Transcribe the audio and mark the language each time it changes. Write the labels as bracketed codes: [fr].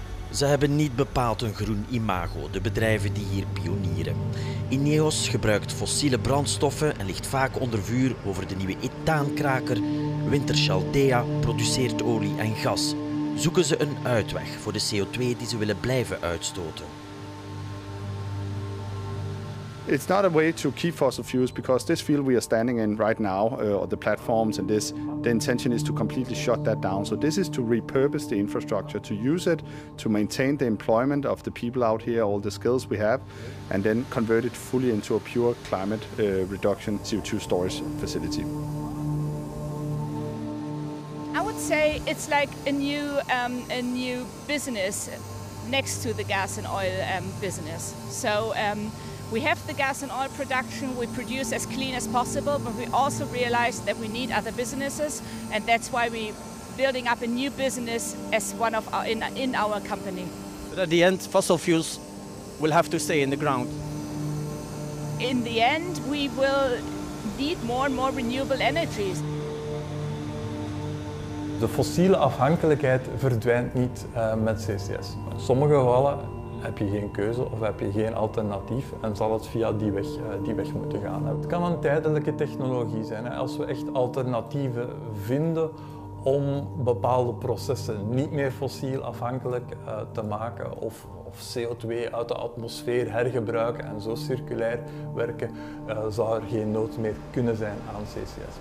[nl] Ze hebben niet bepaald een groen imago, de bedrijven die hier pionieren. INEOS gebruikt fossiele brandstoffen en ligt vaak onder vuur over de nieuwe ethaankraker. Wintershall Dea produceert olie en gas. Zoeken ze een uitweg voor de CO2 die ze willen blijven uitstoten? [en] It's not a way to keep fossil fuels because this field we are standing in right now, or the platforms and this, the intention is to completely shut that down. So this is to repurpose the infrastructure, to use it, to maintain the employment of the people out here, all the skills we have, and then convert it fully into a pure climate reduction CO2 storage facility. I would say it's like a new business next to the gas and oil business. We have the gas and oil production we produce as clean as possible, but we also realize that we need other businesses, and that's why we're building up a new business as one of our in our company. But at the end, fossil fuels will have to stay in the ground. In the end, we will need more and more renewable energies. [nl] De fossiele afhankelijkheid verdwijnt niet met CCS. In sommige gevallen heb je geen keuze of heb je geen alternatief en zal het via die weg moeten gaan. Het kan een tijdelijke technologie zijn. Als we echt alternatieven vinden om bepaalde processen niet meer fossiel afhankelijk te maken of CO2 uit de atmosfeer hergebruiken en zo circulair werken, zou er geen nood meer kunnen zijn aan CCS.